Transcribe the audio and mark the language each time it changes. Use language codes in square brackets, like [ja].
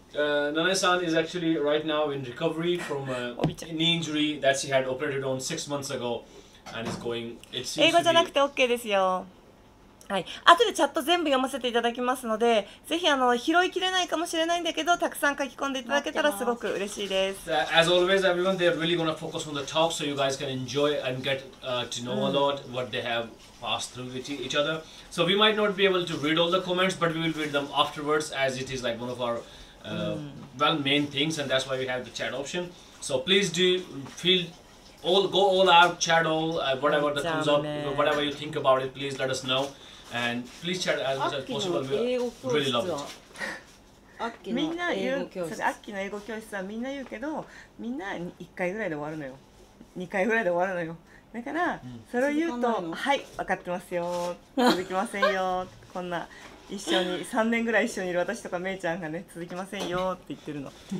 [en] Nanae san is actually right now in recovery from a knee injury that she had operated on 6 months ago and is going. It seems [ja] 英語じゃなくて OK ですよ。はい、後でチャット全部読ませていただきますので、ぜひあの拾いきれないかもしれないんだけど、たくさん書き込んでいただけたらすごく嬉しいです。 [en] As always, everyone, they're really going to focus on the talk so you guys can enjoy and get to know a lot what they have passed through with each other. So we might not be able to read all the comments, but we will read them afterwards as it is like one of our well main things, and that's why we have the chat option. So please do feel all go all out chat all whatever that comes up, whatever you think about it, please let us knowAnd please chat as much as possible. We really love it. [ja] みんな言う、それアッキーの英語教室はみんな言うけど、みんな1回ぐらいで終わるのよ。 2回ぐらいで終わるのよ。だから、それを言うと、はい、分かってますよ。続きませんよ。こんな一緒に、3年ぐらい一緒にいる私とかめいちゃんがね、続きませんよって言ってるの。